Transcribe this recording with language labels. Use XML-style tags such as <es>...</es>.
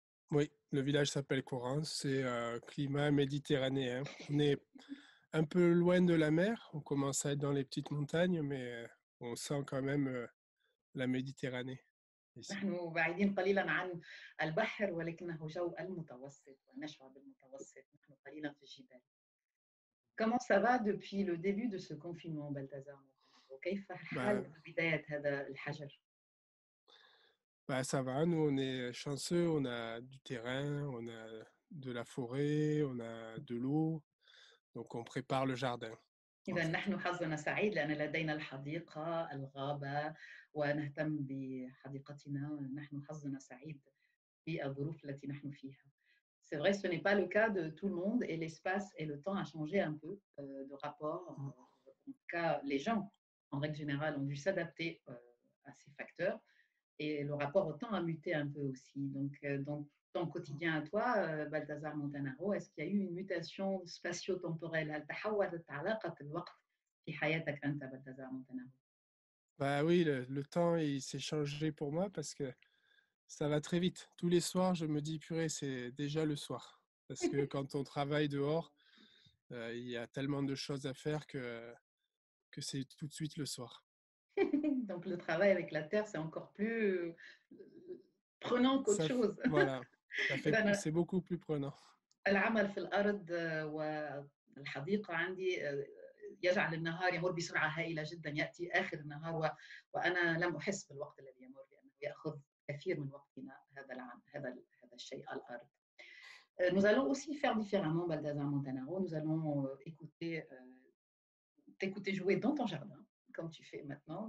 <fr>Oui, le village s'appelle Corrance, c'est climat méditerranéen. On est un peu loin de la mer, on commence à être dans les petites montagnes mais on sent quand même la Méditerranée.</fr> <ar>نحن بعيدين قليلا عن البحر ولكنه جو المتوسط ونشعر بالمتوسط، نحن قليلا في الجبال.</ar> <fr>Comment ça va depuis le début de ce confinement, Balthazar?</fr> <ar>كيف حال بداية هذا الحجر؟</ar> <fr>Bah ça va, nous on est chanceux, on a du terrain, on a de la forêt, on a de l'eau, donc on prépare le jardin.</fr> <ar>إذا نحن حظنا سعيد لأن لدينا الحديقة الغابة ونهتم بحديقتنا ونحن حظنا سعيد بالظروف التي نحن فيها.</ar> <fr>C'est vrai, ce n'est pas le cas de tout le monde et l'espace et le temps a changé un peu de rapport. En tout cas, les gens en règle générale ont dû s'adapter à ces facteurs et le rapport au temps a muté un peu aussi. Donc dans ton quotidien à toi, Balthazar Mountainaro, est-ce qu'il y a eu une mutation spatio-temporelle? Elle t'a changé de relation avec le temps dans ta vie, toi, Balthazar Mountainaro? Bah oui, le temps il s'est changé pour moi parce que ça va très vite. Tous les soirs, je me dis purée, c'est déjà le soir. Parce que quand on travaille dehors, il y a tellement de choses à faire que c'est tout de suite le soir. Donc le travail avec la terre, c'est encore plus prenant qu'autre chose. Voilà. C'est beaucoup plus prenant.</fr> <ar>العمل في الأرض والحديقة عندي يجعل النهار يمر بسرعة هائلة جدا، يأتي آخر النهار وأنا لم أحس بالوقت الذي يمر لأنه يأخذ كثير من وقتنا هذا العام هذا الشيء الأرض.</ar> <fr>Nous allons aussi faire différemment, Balthazar Mountainaro. Nous allons t'écouter jouer dans ton jardin, comme tu fais maintenant.</fr>